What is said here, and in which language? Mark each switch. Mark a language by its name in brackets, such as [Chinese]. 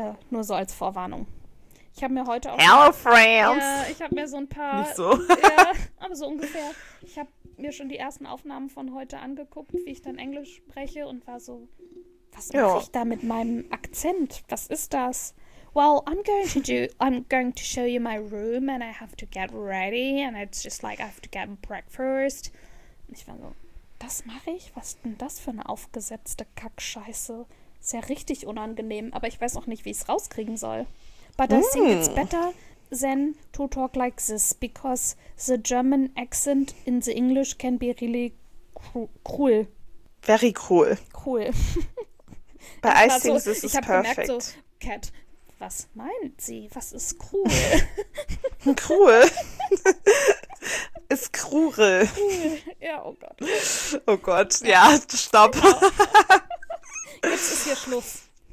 [German] Nur so als Vorwarnung. Ich habe mir heute auch... [English] Hello, France! [German] Ich habe mir so ein paar... Nicht so. Aber so ungefähr. Ich habe mir schon die ersten Aufnahmen von heute angeguckt, wie ich dann Englisch spreche und war so, was mache ich da mit meinem Akzent? Was ist das? [English] Well, I'm going to show you my room and I have to get ready and it's just like I have to get breakfast. [German] Und ich war so, das mache ich? Was denn das für eine aufgesetzte Kackscheiße? Ist ja richtig unangenehm, aber ich weiß auch nicht, wie ich es rauskriegen soll. [English] But I think it's better than to talk like this, because the German accent in the English can be really cruel. Very cruel. Cruel. But I think this is perfect. [German] Ich habe gemerkt so, Kat, was meint sie? Was ist cruel? Cruel? Ist krurel. Ja, oh Gott. Oh Gott, ja, stopp. Genau. Jetzt ist hier Schluss.